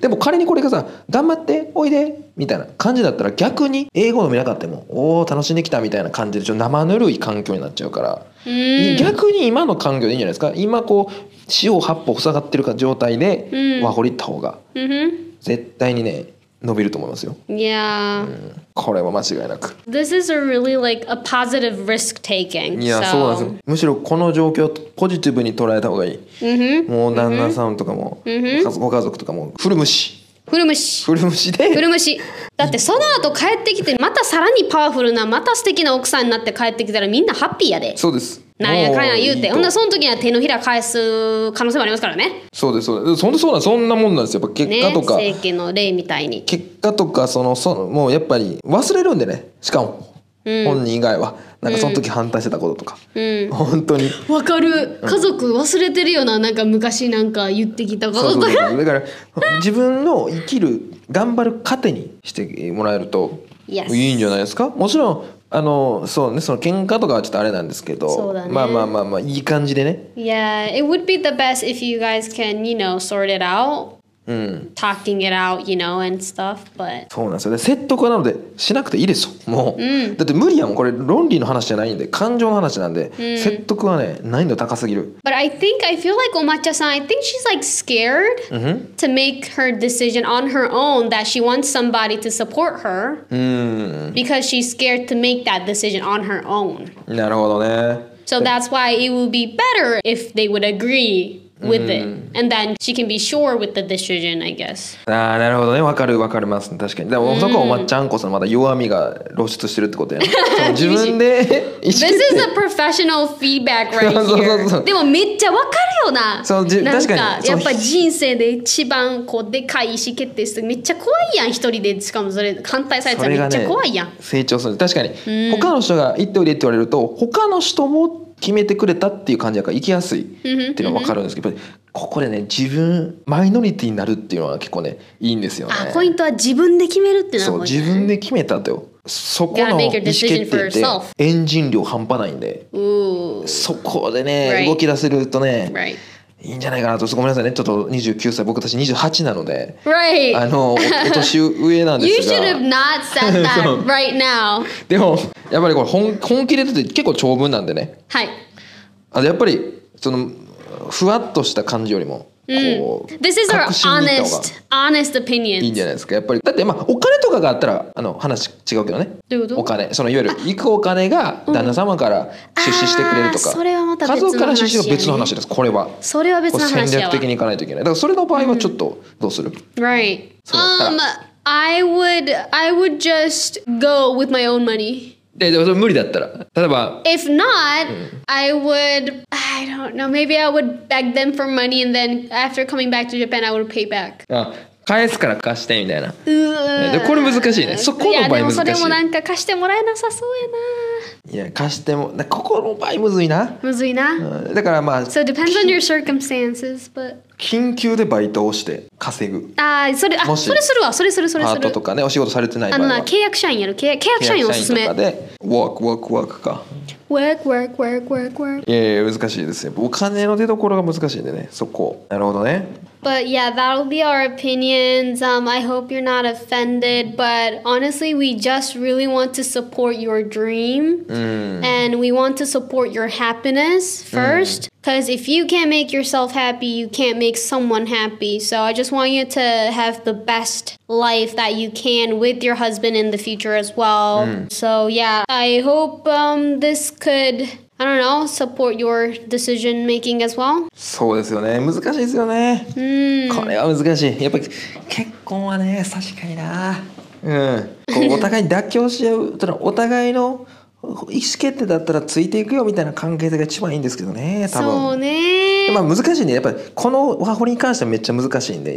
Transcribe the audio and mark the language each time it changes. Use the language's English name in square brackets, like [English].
[Japanese] でも彼にこれがさ頑張っておいでみたいな感じだったら逆に英語を見なかったもおー楽しんできたみたいな感じでちょっと生ぬるい環境になっちゃうから、うん、逆に今の環境でいいんじゃないですか。今こう四方八方塞がってる状態でワホリ行った方が絶対にね伸びると思いますよ。 [English] Yeah.、 [Japanese] うん、これは間違いなく。 [English] This is a really like a positive risk taking. [Japanese] いや、そうなんですよ。むしろこの状況をポジティブに捉えた方がいい。 Mm-hmm. もう旦那さんとかも、 mm-hmm. ご家族とかも、フル無視。フル無視。フル無視で。フル無視。だってその後帰ってきて、またさらにパワフルな、また素敵な奥さんになって帰ってきたらみんなハッピーやで。そうです。なんやかんや言うて、ほんなその時には手のひら返す可能性もありますからね。そうですそうです。そんなそんなそんなもんなんですよ。やっぱ結果とか、ね、政権の例みたいに結果とかそのもうやっぱり忘れるんでね。しかも、うん、本人以外はなんかその時反対してたこととか、うん、本当にわかる。家族忘れてるような、なんか昔なんか言ってきたこととか。そうそうそう、だから自分の生きる頑張る糧にしてもらえるといいんじゃないですか。もちろんあのそうね、その喧嘩とかはちょっとあれなんですけど、ね、まあまあまあまあいい感じでね。 [English] Yeah, it would be the best if you guys can, you know, sort it out、 [Japanese] うん、 [English] talking it out, you know, and stuff, but [Japanese] そうなんですよね。説得はなのでしなくていいですよ、もう、うん、だって無理やもん。これ論理の話じゃないんで、感情の話なんで、うん、説得はね難易度高すぎる。 [English] But I think, I feel like Omacha-san, I think she's like scared、 [Japanese] うん、 [English] to make her decision on her own that she wants somebody to support her、 [Japanese] うん、 [English] because she's scared to make that decision on her own. [Japanese] なるほどね。 [English] So that's why it would be better if they would agreeWith it. And then she can be sure with the decision, I guess. [Japanese] ああ、なるほどね。わかる、わかります。確かに。でも、そこはおまっちゃんこさん、まだ弱みが露出してるってことやね。自分で意識して。 [English] This is a professional feedback right here. [Japanese] そうそうそう。でも、めっちゃわかるよな。そう、確かに。なんか、やっぱ人生で一番こうでかい意思決定する。めっちゃ怖いやん、一人で。しかもそれ、反対されちゃう。めっちゃ怖いやん。成長する。確かに。他の人が言っておいでって言われると、他の人も決めてくれたっていう感じだから行きやすいっていうのは分かるんですけど、やっぱりここでね自分マイノリティになるっていうのは結構ねいいんですよね。あ、ポイントは自分で決めるっていうのは、そう、自分で決めたと。よそこの意思決定ってエンジン量半端ないんで、そこでね動き出せるとねいいんじゃないかなと。ごめんなさいね、ちょっと29歳、僕たち28なので、 [English] right. [Japanese] あの年上なんですが [English] You should have not said that right now. [Japanese] でもやっぱりこれ 本気で言って結構長文なんでね、はい、あやっぱりそのふわっとした感じよりもこう [English] This is our honest, honest opinion. [Japanese] いいんじゃないですか。やっぱりだってまあお金とかがあったらあの話違うけどね。どういうこと？お金、そのいわゆる行くお金が旦那様から出資してくれるとか、それはまた別の話ね、家族から出資は別の話です。これは。それは別の話やわ。戦略的に行かないといけない。だからそれの場合はちょっとどうする？うん、right. [English] I would just go with my own money. [Japanese] でも無理だったら例えば [English] If not、 [Japanese] うん、 [English] I would I don't know Maybe I would beg them for money And then after coming back to Japan I would pay back [Japanese] あ返すから貸してみたいな、ね、これ難しいねそこの場合難しいいやでもそれもなんか貸してもらえなさそうやないや貸してもここの場合むずいなむずいな、うん、だからまあ [English] So depends on your circumstances but [Japanese] 緊急でバイトをして稼ぐあそれあそれするわそれするそれするパートとかねお仕事されてない場合はあの契約社員やる契約社員おすすめ契約社員とかで work か [English] Work. [Japanese] いや難しいですね。お金の出所が難しいんでね。そこ。なるほどね。 [English] But yeah, that'll be our opinions. I hope you're not offended. But honestly, we just really want to support your dream. And we want to support your happiness first. Because if you can't make yourself happy, you can't make someone happy. So I just want you to have the best life that you can with your husband in the future as well. So yeah, I hope this could... I don't know, support your decision making as well. [Japanese] そうですよね。難しいですよね。これは難しい。やっぱり結婚はね、確かにな。うん。こうお互い妥協し合う、ただお互いの意思決定だったらついていくよみたいな関係性が一番いいんですけどね、多分。そうね。まあ難しいね。やっぱりこのワーホリに関してはめっちゃ難しいんで。